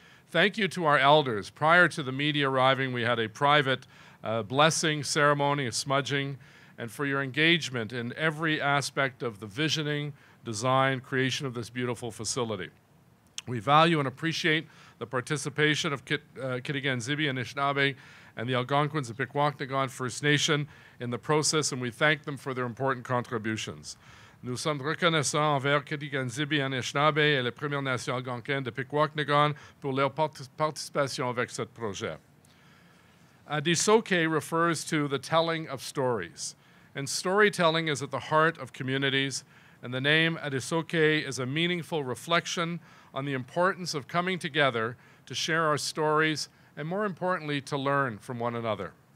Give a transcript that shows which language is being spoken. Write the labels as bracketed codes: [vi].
[en] Thank you to our elders. Prior to the media arriving, we had a private blessing ceremony, a smudging, and for your engagement in every aspect of the visioning, design, creation of this beautiful facility. We value and appreciate the participation of Kitigan Zibi Anishinābeg and the Algonquins of Pikwakanagan First Nation in the process, and we thank them for their important contributions. [fr] Nous sommes reconnaissants envers Kitigan Zibi Anishinābeg et les Premières Nations Algonquins de Pikwakanagan pour leur participation avec ce projet. [en] Ādisōke refers to the telling of stories, and storytelling is at the heart of communities, and the name Ādisōke is a meaningful reflection on the importance of coming together to share our stories and, more importantly, to learn from one another.